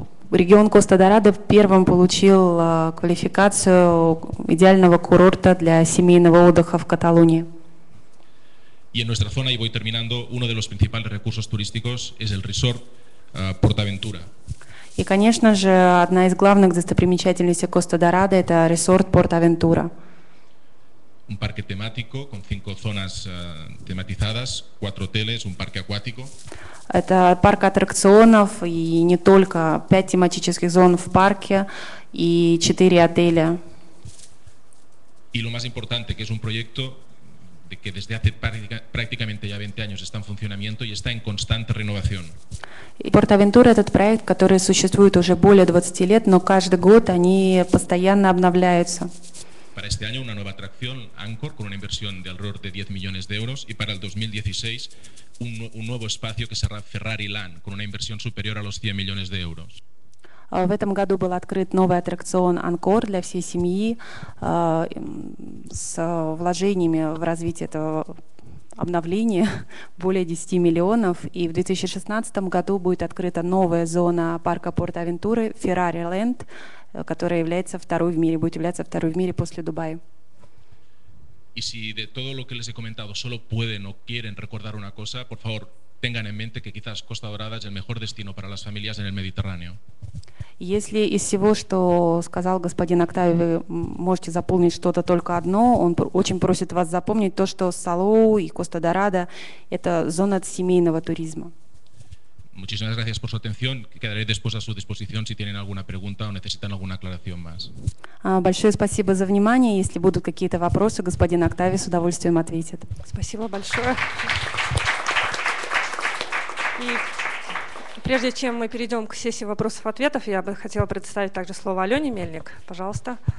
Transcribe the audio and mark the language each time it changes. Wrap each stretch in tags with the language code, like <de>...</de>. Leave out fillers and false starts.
<ru>Регион Коста-Дорадо первым получил квалификацию идеального курорта для семейного отдыха в Каталонии.</ru> <es>Y en nuestra zona, y voy terminando, uno de los principales recursos turísticos es el resort PortAventura.</es> <ru>И, конечно же, одна из главных достопримечательностей Коста-Дорадо – это ресорт PortAventura.</ru> <es>Un parque temático con 5 zonas tematizadas, 4 hoteles, un parque acuático.</es> <ru>Это парк аттракционов и не только, 5 тематических зон в парке и 4 отеля.</ru> <es>Y lo más importante, que es un proyecto de que desde hace prácticamente ya 20 años está en funcionamiento y está en constante renovación.</es> <ru>PortAventura – этот проект, который существует уже более 20 лет, но каждый год они постоянно обновляются.</ru> <es>Para este año una nueva atracción, Anchor, con una inversión de alrededor de 10 millones de euros y para el 2016 un nuevo espacio que será Ferrari Land, con una inversión superior a los 100 millones de euros.</es> <ru>В этом году был открыт новый аттракцион Анкор для всей семьи с вложениями в развитие этого обновления более 10 миллионов. И в 2016 году будет открыта новая зона парка PortAventura, Ferrari Land, которая является второй в мире, будет являться второй в мире после Дубая.</ru> <es>Y si de todo lo que les he comentado solo pueden o quieren recordar una cosa, por favor, tengan en mente que quizás Costa Dorada es el mejor destino para las familias en el Mediterráneo.</es> <ru>Если из всего, что сказал господин Октави, вы можете запомнить что-то только одно, он очень просит вас запомнить то, что Салоу и Коста Дорада – это зона семейного туризма.</ru> <es>Muchísimas gracias por su atención. Quedaré después a su disposición si tienen alguna pregunta o necesitan alguna aclaración más.</es> <ru>Большое спасибо за внимание. Если будут какие-то вопросы, господин Октави с удовольствием ответит. Спасибо большое. И прежде чем мы перейдем к сессии вопросов-ответов, я бы хотела предоставить также слово Алене Мельник, пожалуйста.</ru>